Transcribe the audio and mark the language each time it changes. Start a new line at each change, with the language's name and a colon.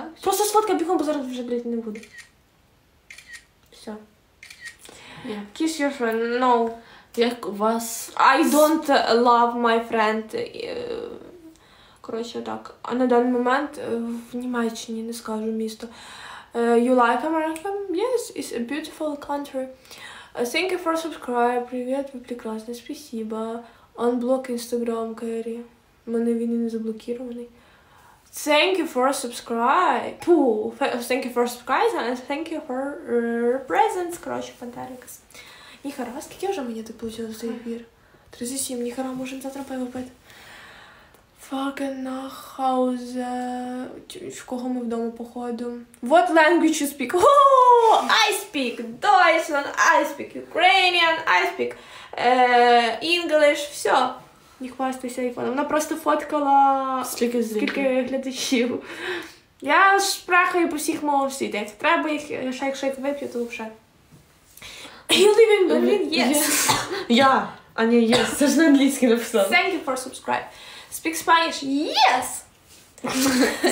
Ukrainian: Просто сфоткай, бігом, бо зараз вже, блядь, не буде.
English: Yeah. Kiss your friend, no.
Ukrainian: Як у вас...
English: I don't love my friend.
Ukrainian: Коротше, так. А на даний момент в Німеччині, не скажу місто.
English: You like America? Yes, it's a beautiful country. Thank you for subscribe.
Ukrainian: Привет, ви прекрасні, спасибо.
English: Unblock Instagram, Кері.
Ukrainian: У мене він і не заблокірований.
English: Thank you for subscribe. Thank you for subscribe and thank you for presence.
Ukrainian: Короче, Пантерикас. Ніхара, а скільки вже мені так получилось за ефір? 37, ніхара, можемо завтра пиво пити.
English: Fucking
Ukrainian: на хаузе. В кого ми вдома походу?
English: What language you speak? Oh, I speak Deutschland, I speak Ukrainian, I speak English,
Ukrainian: все. Не хвастайся айфоном. Вона просто фоткала скільки глядачів. Я шпрахаю по всіх мовах світу. Якщо треба їх шейк-шейк вип'ю, то вже.
English: You live in Berlin? Yes.
Ukrainian: Я, а не
English: yes.
Ukrainian: Це ж на англійській написано.
English: Thank you for subscribe. Speak Spanish? Yes.